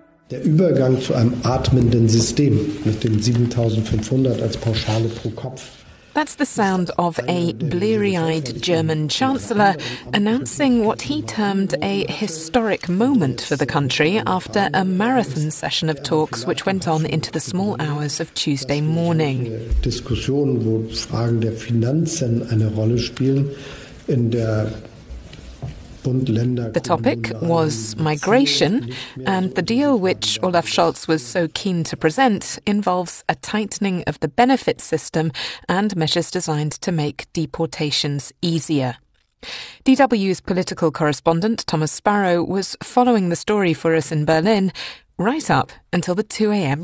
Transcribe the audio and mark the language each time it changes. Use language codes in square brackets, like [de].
[de] Der Übergang zu einem atmenden System mit den 7500 als Pauschale pro Kopf. [en] That's the sound of a bleary-eyed German chancellor announcing what he termed a historic moment for the country after a marathon session of talks which went on into the small hours of Tuesday morning. [de] Diskussionen, wo Fragen der Finanzen eine Rolle spielen in der. [en] The topic was migration, and the deal which Olaf Scholz was so keen to present involves a tightening of the benefit system and measures designed to make deportations easier. DW's political correspondent Thomas Sparrow was following the story for us in Berlin right up until the 2 a.m.